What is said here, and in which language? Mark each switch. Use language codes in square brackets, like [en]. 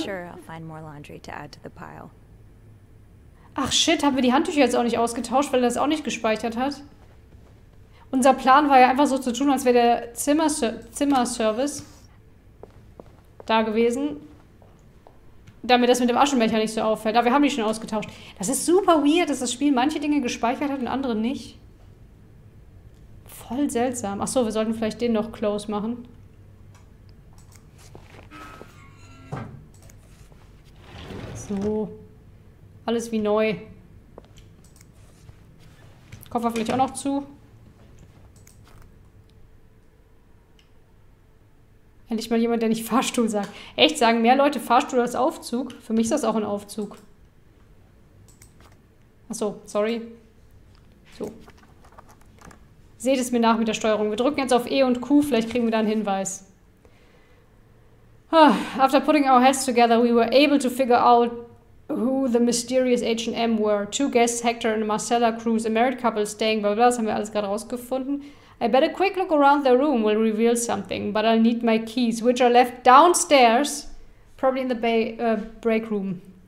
[en] Sure, I'll find more laundry to add to the pile. [de] Ach shit, haben wir die Handtücher jetzt auch nicht ausgetauscht, weil er das auch nicht gespeichert hat? Unser Plan war ja einfach so zu tun, als wäre der Zimmerservice da gewesen. Damit das mit dem Aschenbecher nicht so auffällt. Aber wir haben die schon ausgetauscht. Das ist super weird, dass das Spiel manche Dinge gespeichert hat und andere nicht. Voll seltsam. Achso, wir sollten vielleicht den noch close machen. So. Alles wie neu. Koffer vielleicht auch noch zu. Endlich mal jemand, der nicht Fahrstuhl sagt. Echt, sagen mehr Leute Fahrstuhl als Aufzug? Für mich ist das auch ein Aufzug. Achso, sorry. So. Seht es mir nach mit der Steuerung. Wir drücken jetzt auf E und Q, vielleicht kriegen wir da einen Hinweis. [en] After putting our heads together, we were able to figure out who the mysterious H&M were. Two guests, Hector and Marcella Cruz, a married couple staying, blah, blah, blah. [de] Das haben wir alles gerade rausgefunden. [en] I bet a quick look around the room will reveal something, but I'll need my keys, which are left downstairs, probably in the break room.